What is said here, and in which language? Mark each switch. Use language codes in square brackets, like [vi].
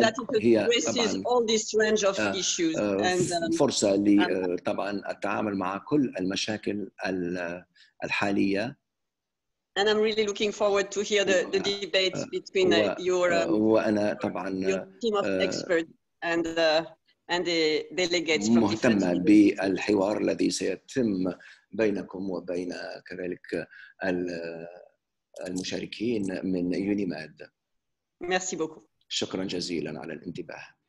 [en] that it addresses all this range of issues and [ar] فرصة لطبعا التعامل مع كل المشاكل الحالية. [en] And I'm really looking forward to hear the debate between your team of experts and the delegates from different countries. [ar] مهتمة بالحوار الذي سيتم بينكم وبين كذلك المشاركين من UNIMED. [fr] Merci beaucoup. [ar] شكرا جزيلا على الانتباه.